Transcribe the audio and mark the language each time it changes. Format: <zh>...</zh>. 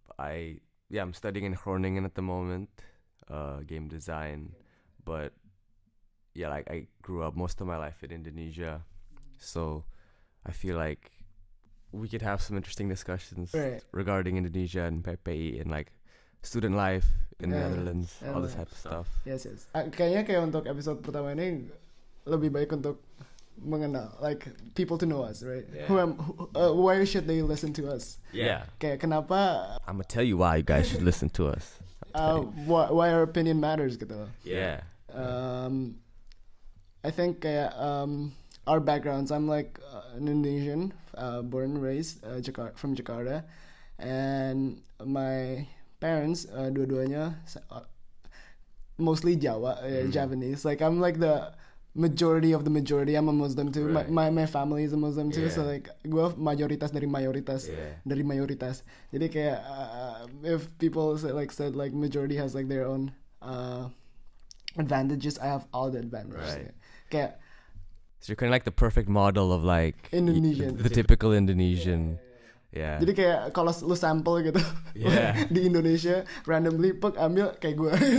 <en>I'm studying in Groningen at the moment, game design, but yeah, like I grew up most of my life in Indonesia, so I feel like we could have some interesting discussions regarding Indonesia and PPI and like student life in the Netherlands, all this type of stuff. Yes, yes.</en> <id>Kayaknya kayak untuk episode pertama ini lebih baik untuk mengenal, like people to know us, right?</id> <en>Yeah. Why should they listen to us? Yeah.</en> <id>Kayak kenapa?</id> <en>I'm gonna tell you why you guys should listen to us. Why our opinion matters, gitu. Yeah. I think kayak our backgrounds. I'm like an Indonesian, born and raised from Jakarta, and my parents, dua-duanya mostly Jawa, Japanese. Like I'm like the majority of the majority. I'm a Muslim too. Right. My family is a Muslim too.</en> <id>Yeah. So like, gue mayoritas dari mayoritas dari mayoritas.</id> <en>Jadi kayak if people said majority has like their own advantages, I have all the advantages. Right.</en> <id>Yeah. Kayak,</id> <en>so you're kind of like the perfect model of like Indonesian, the typical Indonesian. Yeah.</en> <id>Jadi kayak kalau lu sample gitu di Indonesia randomly pick ambil kayak gue.</id>